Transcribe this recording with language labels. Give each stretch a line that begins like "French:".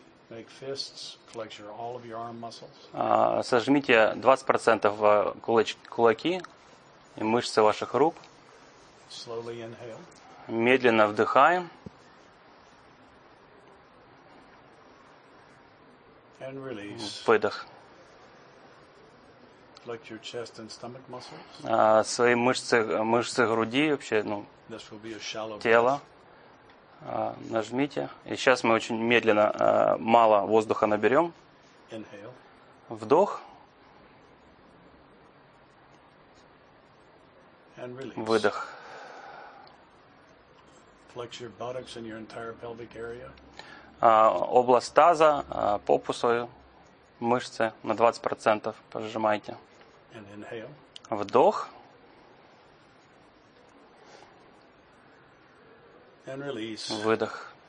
English: Make fists, flex your all of your arm muscles.
Russian: Сожмите 20% кулаки и мышцы ваших рук.
English: Slowly inhale.
Russian: Медленно вдыхаем.
English: And release.
Russian: Выдох.
English: Flex your chest and stomach muscles.
Russian: Свои мышцы груди, вообще, ну,
English: this will be a shallow
Russian: тело. Нажмите. И сейчас мы очень медленно, мало воздуха наберем.
English: Inhale.
Russian: Вдох.
English: And release.
Russian: Выдох.
English: Flex your buttocks and your entire pelvic area.
Russian: Область таза, попу свою, мышцы на 20% пожимайте.
English: And inhale.
Russian: Вдох.
English: And release.
Russian: Выдох.